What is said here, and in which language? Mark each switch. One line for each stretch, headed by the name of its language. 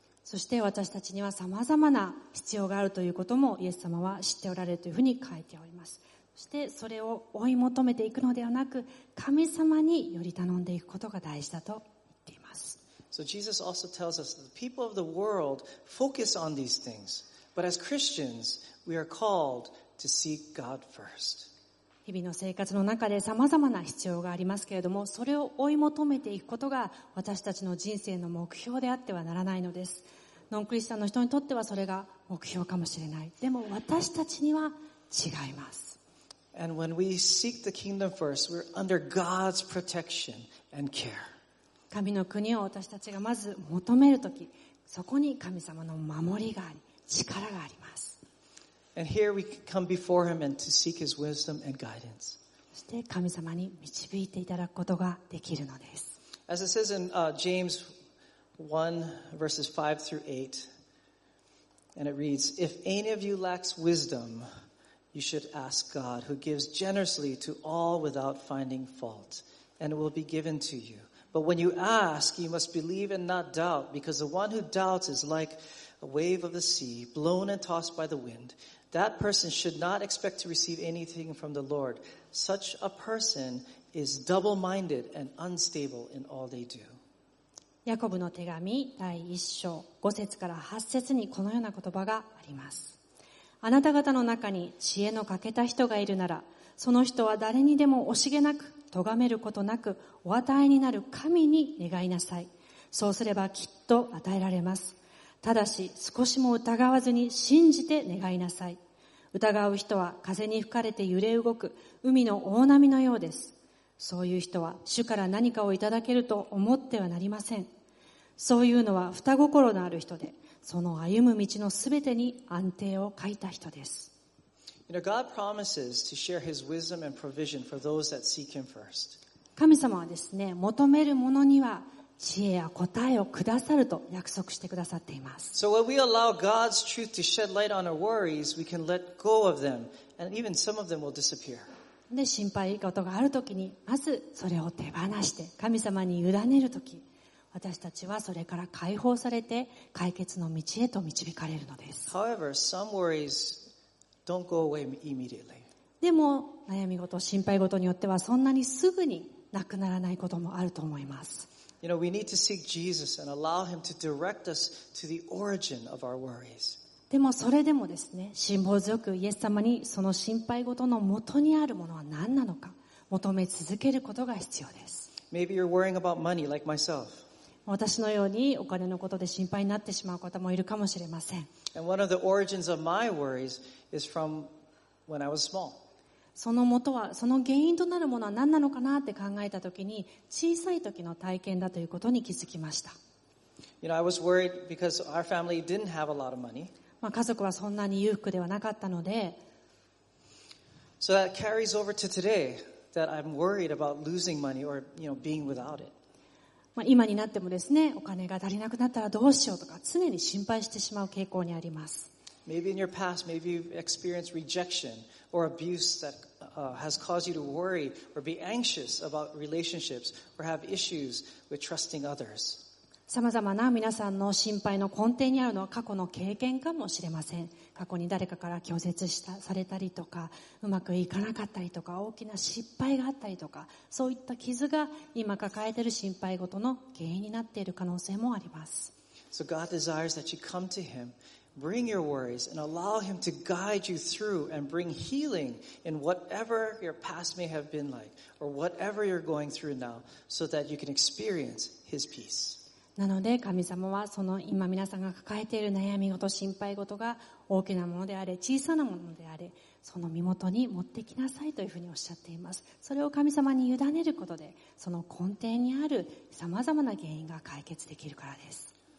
Japanese: そして私たちにはさまざまな必要があるということもイエス様は知っておられるというふうに書いております。そしてそれを追い求めていくのではなく、神様により頼んでいくことが大事だと言っています。
English: So Jesus also tells us that the people of the world focus on these things, but as Christians we are called to seek God first.
Japanese: 日々の生活の中でさまざまな必要がありますけれども、それを追い求めていくことが私たちの人生の目標であってはならないのです。ノンクリスチャンの人にとってはそれが目標かもしれない。でも私たちには違います。
English: And when we seek the kingdom first, we're under God's protection and care.
Japanese: 神の国を私たちがまず求めるとき、そこに神様の守りがあり力があります。
English: And here we come before Him and to seek His wisdom and guidance.
Japanese: そして神様に導いていただくことができるのです。
English: As it says in James 1 verses 5 through 8, and it reads, "If any of you lacks wisdom, you should ask God, who gives generously to all without finding fault, and it will be given to you. But when you ask, you must believe and not doubt, because the one who doubts is like a wave of the sea, blown and tossed by the wind." That person should not expect to receive anything from the Lord. Such a person is double-minded and unstable in all they do.
Japanese: ヤコブの手紙第1章5節から8節にこのような言葉があります。あなた方の中に知恵の欠けた人がいるなら、その人は誰にでも惜しげなく、咎めることなく、お与えになる神に願いなさい。そうすればきっと与えられます。ただし少しも疑わずに信じて願いなさい。疑う人は風に吹かれて揺れ動く海の大波のようです。そういう人は主から何かをいただけると思ってはなりません。そういうのは二心のある人で、その歩む道のすべてに安定を欠いた人です。
English: You know, God promises to share His wisdom and provision for those that seek Him first.
Japanese: 神様はですね、求める者には知恵や答えをくださると約束してくださっています。
English: So when we allow God's truth to shed light on our worries, we can let go of them, and even some of them will disappear.
Japanese: で、心配事があるときに、まずそれを手放して神様に委ねるとき、私たちはそれから解放されて解決の道へと導かれるのです。
English: However, some worries don't go away immediately.
Japanese: でも悩み事、心配事によってはそんなにすぐになくならないこともあると思います。
English: You know, we need to seek Jesus and allow Him to direct us to the origin of our worries.
Japanese: でもそれでもですね、辛抱強くイエス様にその心配事の元にあるものは何なのか求め続けることが必要です。
English: Maybe you're worrying about money like myself.
Japanese: 私のようにお金のことで心配になってしまう方もいるかもしれません。
English: And one of the origins of my worries is from when I was small.
Japanese: その元は、その原因となるものは何なのかなって考えたときに、小さい時の体験だということに気づきました。
English: You know, I was worried because our family didn't have a lot of money.
Japanese: まあ家族はそんなに裕福ではなかったので、
English: So that carries over to today that I'm worried about losing money or, you know, being without it.
Japanese: まあ今になってもですね、お金が足りなくなったらどうしようとか常に心配してしまう傾向にあります。
English: Maybe in your past, maybe you've experienced rejection or abuse that has caused you to worry or be anxious about relationships or have issues with trusting others.
Japanese: さまざまな皆さんの心配の根底にあるのは過去の経験かもしれません。過去に誰かから拒絶したされたりとか、うまくいかなかったりとか、大きな失敗があったりとか、そういった傷が今抱えている心配事の原因になっている可能性もあります。
English: So God desires that you come to Him. Bring your worries and allow Him to guide you through and bring healing in whatever your past may have been like or whatever you're going through now so that you can experience His peace.
Japanese: なので神様はその今皆さんが抱えている悩み事、心配事が大きなものであれ、小さなものであれ、その身元に持ってきなさいというふうにおっしゃっています。それを神様に委ねることで、その根底にある様々な原因が解決できるからです。